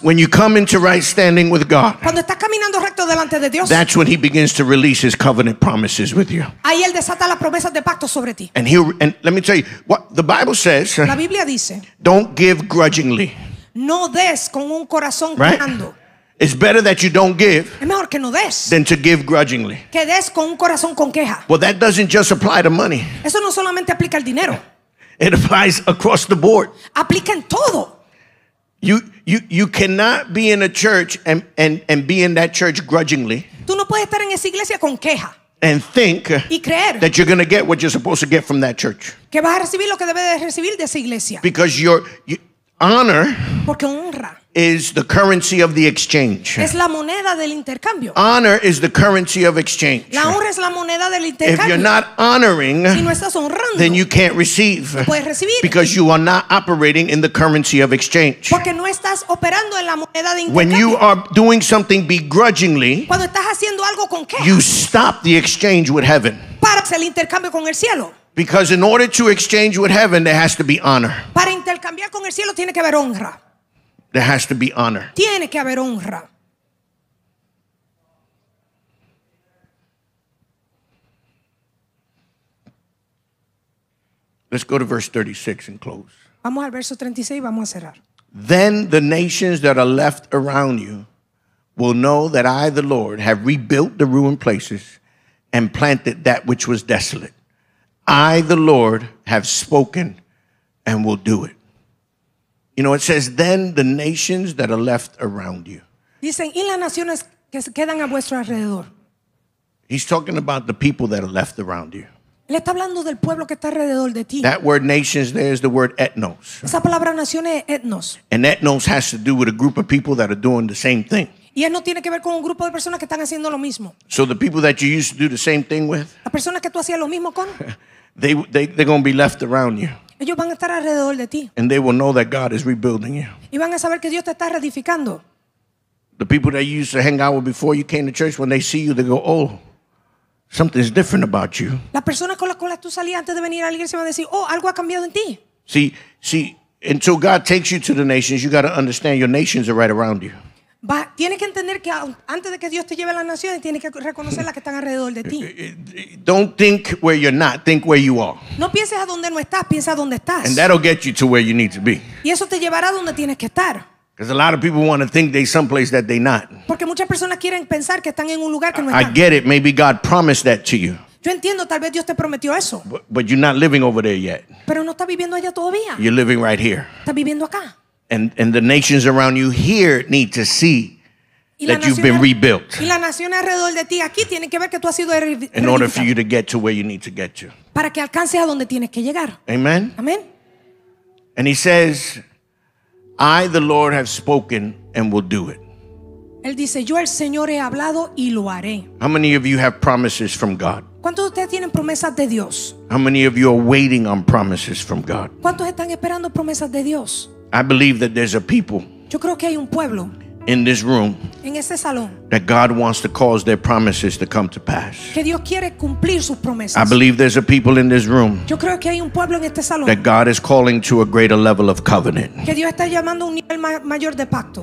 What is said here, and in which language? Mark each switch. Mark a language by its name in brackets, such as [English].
[English] when you come into right standing with God, [Spanish] cuando estás caminando recto delante de Dios, [English] that's when he begins to release his covenant promises with you. [Spanish] Ahí él desata las promesas de pacto sobre ti. [English] And let me tell you what the Bible says. [Spanish] La Biblia dice, [English] don't give grudgingly. [Spanish] No des con un corazón quejando. [English] Right? It's better that you don't give. [Spanish] Es mejor que no des. [English] Than to give grudgingly. [Spanish] Que des con un corazón con queja. [English] Well, that doesn't just apply to money. [Spanish] Eso no solamente aplica al dinero. [English] It applies across the board. [Spanish] Aplica en todo. [English] You cannot be in a church and be in that church grudgingly. [Spanish] Tú no puedes estar en esa iglesia con queja. [English] And think [Spanish] y creer [English] that you're going to get what you're supposed to get from that church. [Spanish] Que vas a recibir lo que debes de recibir de esa iglesia. [English] Because your honor, [Spanish] porque honra, [English] is the currency of the exchange. [Spanish] Es la moneda del intercambio. [English] Honor is the currency of exchange. [Spanish] La honra es la moneda del intercambio. [English] If you're not honoring, [Spanish] si no estás honrando, [English] then you can't receive. [Spanish] No puedes recibir. [English] Because you are not operating in the currency of exchange. [Spanish] Porque no estás operando en la moneda de intercambio. [English] When you are doing something begrudgingly, [Spanish] cuando estás haciendo algo con queja, [English] you stop the exchange with heaven. [Spanish] Paras el intercambio con el cielo. [English] Because in order to exchange with heaven, there has to be honor. [Spanish] Para intercambiar con el cielo, tiene que haber honra. [English] There has to be honor. [Spanish] Tiene que haber honra. [English] Let's go to verse 36 and close. [Spanish] Vamos al verso 36 y vamos a cerrar. [English] Then the nations that are left around you will know that I, the Lord, have rebuilt the ruined places and planted that which was desolate. I, the Lord, have spoken and will do it. You know, it says, then the nations that are left around you. [Spanish] Dicen, y las naciones que se quedan a vuestro alrededor. [English] He's talking about the people that are left around you. [Spanish] Él está hablando del pueblo que está alrededor de ti. [English] That word nations there is the word ethnos. [Spanish] Esa palabra naciones es ethnos. [English] And ethnos has to do with a group of people that are doing the same thing. [Spanish] Y él no tiene que ver con un grupo de personas que están haciendo lo mismo. [English] So the people that you used to do the same thing with, [Spanish] las personas que tú hacías lo mismo con, [English] they're going to be left around you. [Spanish] Ellos van a estar alrededor de ti. [English] And they will know that God is rebuilding you. [Spanish] Y van a saber que Dios te está reedificando. [English] The people that you used to hang out with before you came to church, when they see you, they go, oh, something's different about you. [Spanish] Las personas con las cuales tú salías antes de venir a la iglesia van a decir, oh, algo ha cambiado en ti. [English] See, Until God takes you to the nations, you got to understand your nations are right around you. [Spanish] Tienes que entender que antes de que Dios te lleve a las naciones, tienes que reconocer las que están alrededor de ti. [English] Don't think where you're not, think where you are. [Spanish] No pienses a donde no estás, piensa a donde estás. [English] And that'll get you to where you need to be. [Spanish] Y eso te llevará a donde tienes que estar. [English] Because a lot of people want to think they're someplace that they're not. [Spanish] Porque muchas personas quieren pensar que están en un lugar que no están. [English] I get it. Maybe God promised that to you. [Spanish] Yo entiendo, tal vez Dios te prometió eso. [English] But you're not living over there yet. [Spanish] Pero no estás viviendo allá todavía. [English] You're living right here. [Spanish] Estás viviendo acá. [English] And the nations around you here need to see that you've been rebuilt. [Spanish] Y las naciones alrededor de ti aquí tienen que ver que tú has sido rebuilt. [English] In order for you to get to where you need to get to. [Spanish] Para que alcances a donde tienes que llegar. [English] Amen. [Spanish] Amen. [English] And he says, I, the Lord, have spoken and will do it. [Spanish] Él dice, yo el Señor he hablado y lo haré. [English] How many of you have promises from God? [Spanish] ¿Cuántos de ustedes tienen promesas de Dios? [English] How many of you are waiting on promises from God? [Spanish] ¿Cuántos están esperando promesas de Dios? [English] I believe that there's a people. [Spanish] Yo creo que hay un pueblo. [English] In this room. [Spanish] En este salón. [English] That God wants to cause their promises to come to pass. [Spanish] Que Dios quiere cumplir sus promesas. [English] I believe there's a people in this room. [Spanish] Yo creo que hay un pueblo en este salón. [English] That God is calling to a greater level of covenant. [Spanish] Que Dios está llamando un nivel mayor de pacto.